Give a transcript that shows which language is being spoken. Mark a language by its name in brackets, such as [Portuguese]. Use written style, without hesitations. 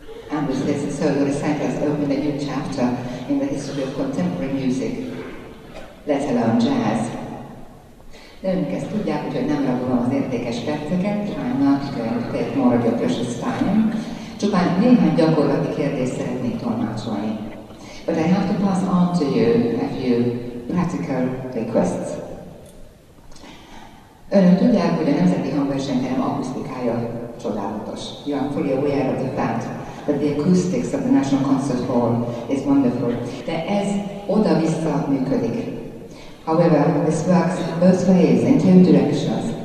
[English] And with this solo recital has opened a new chapter in the history of contemporary music, let alone jazz. [Hungarian] De önök ezt tudják, úgyhogy nem ragolom az értékes perceket, [English] I'm not going to take more of your precious time. [Hungarian] Csupán néhány gyakorlati kérdést szeretnék tolmácsolni. [English] But I have to pass on to you a few practical requests. [Hungarian] Önök tudják, hogy a Nemzeti Hangversenyterem akusztikája csodálatos. [English] You are fully aware of the fact that the acoustics of the National Concert Hall is wonderful. [Hungarian] De ez oda-vissza működik. [English] However, this works both ways, in two directions.